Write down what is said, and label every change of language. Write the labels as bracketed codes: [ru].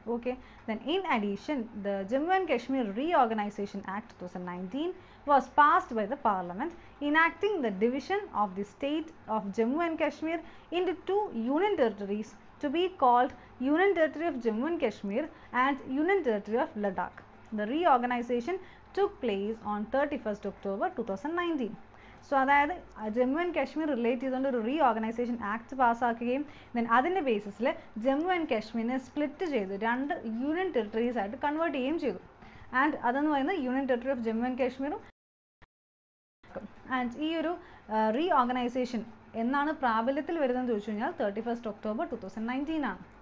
[en] Okay, then in addition the Jammu and Kashmir reorganisation act 2019 was passed by the parliament enacting the division of the state of Jammu and Kashmir into 2 union territories to be called union territory of Jammu and Kashmir and union territory of Ladakh. The reorganisation took place on 31st October 2019. [ml] So അതായത് Jammu and Kashmir relate ചെയ്തുകൊണ്ട് ഒരു re organisation act പാസ്സാക്കുകയും then അതിൻ്റെ ബേസിസിൽ Jammu and കാശ്മീരിനെ split ചെയ്ത് രണ്ട് union territories ആയിട്ട് convert ചെയ്യുകയും ചെയ്തു. And അതെന്ന് പറയുന്നത് union territory of Jammu and കാശ്മീറും. And ഈ ഒരു റീ ഓർഗനൈസേഷൻ എന്നാണ് പ്രാബല്യത്തിൽ വരുന്നതെന്ന് ചോദിച്ചു കഴിഞ്ഞാൽ 31st October 2019 ആണ്.